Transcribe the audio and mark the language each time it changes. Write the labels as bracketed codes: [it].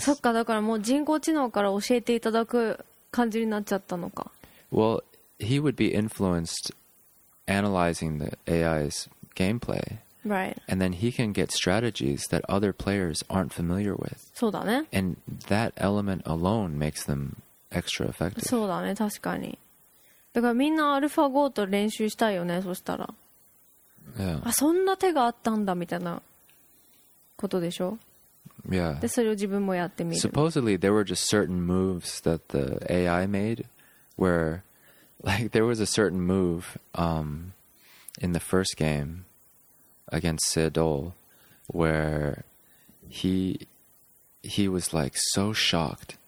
[ja] そっか、だからもう人工知能から教えていただく感じになっちゃったのか。 [en] Well, he would be influenced analyzing the AI's gameplay. Right. And then he can get strategies that other players aren't familiar with. [ja] そうだね。 [en] And that element alone makes them extra effective. [ja] そうだね、確かに。だからみんなアルファ5と練習したいよね、そしたら。 [en] Yeah. [ja] あ、そんな手があったんだみたいなことでしょ。 [en] Yeah. [ja] で、それを自分もやってみる。 [en] Supposedly there were just certain moves that the AI made where like there was a certain move in the first game against Seidol where he was like so shocked.